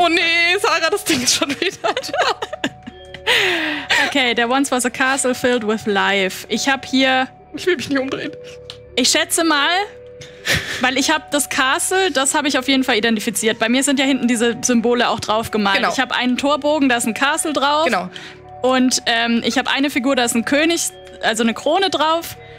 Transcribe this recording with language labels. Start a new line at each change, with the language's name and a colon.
German: Oh nee, Sarah, das Ding ist schon wieder da.
English: Okay, there once was a castle filled with life.
German: Ich hab hier. Ich will mich nicht umdrehen. Ich schätze mal, weil ich hab das Castle, das habe ich auf jeden Fall identifiziert. Bei mir sind ja hinten diese Symbole auch drauf gemalt. Genau. Ich habe einen Torbogen, da ist ein Castle drauf. Genau. Und ich habe eine Figur, da ist ein König, also eine Krone drauf.